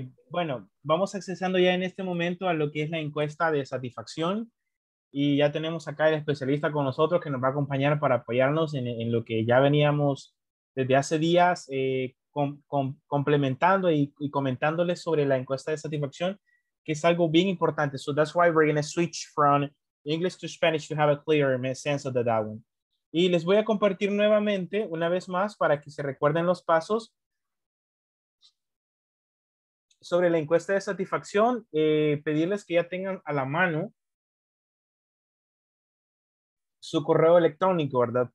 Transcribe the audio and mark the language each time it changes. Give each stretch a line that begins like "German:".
Spanish: Bueno, vamos accesando ya en este momento a lo que es la encuesta de satisfacción. Y ya tenemos acá el especialista con nosotros que nos va a acompañar para apoyarnos en lo que ya veníamos desde hace días complementando y comentándoles sobre la encuesta de satisfacción, que es algo bien importante.
English: So that's why we're going to switch from English to Spanish to have a clearer sense of the that one.
Spanish: Y les voy a compartir nuevamente, una vez más, para que se recuerden los pasos sobre la encuesta de satisfacción. Pedirles que ya tengan a la mano su correo electrónico, ¿verdad?